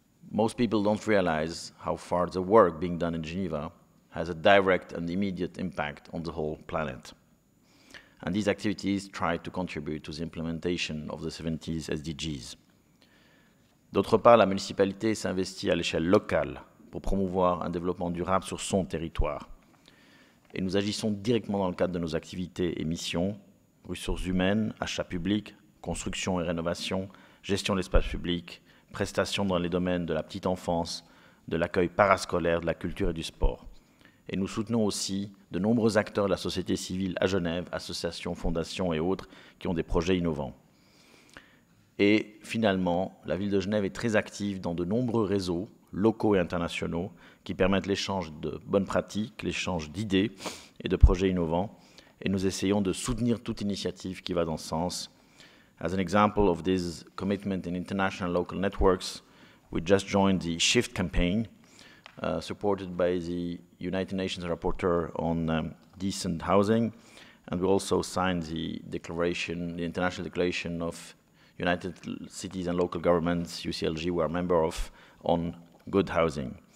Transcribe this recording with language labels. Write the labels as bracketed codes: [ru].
[en] Most people don't realize how far the work being done in Geneva has a direct and immediate impact on the whole planet. And these activities try to contribute to the implementation of the 17 SDGs. [fr] D'autre part, la municipalité s'investit à l'échelle locale pour promouvoir un développement durable sur son territoire. Et nous agissons directement dans le cadre de nos activités et missions, ressources humaines, achats publics, construction et rénovation, gestion de l'espace public, prestations dans les domaines de la petite enfance, de l'accueil parascolaire, de la culture et du sport. Et nous soutenons aussi de nombreux acteurs de la société civile à Genève, associations, fondations et autres qui ont des projets innovants. Et finalement, la ville de Genève est très active dans de nombreux réseaux locaux et internationaux qui permettent l'échange de bonnes pratiques, l'échange d'idées et de projets innovants. Et nous essayons de soutenir toute initiative qui va dans ce sens. [en] As an example of this commitment in international local networks, we just joined the SHIFT campaign, supported by the United Nations Rapporteur on Decent Housing. And we also signed the declaration, the International Declaration of United Cities and Local Governments, UCLG, we are a member of, on good housing.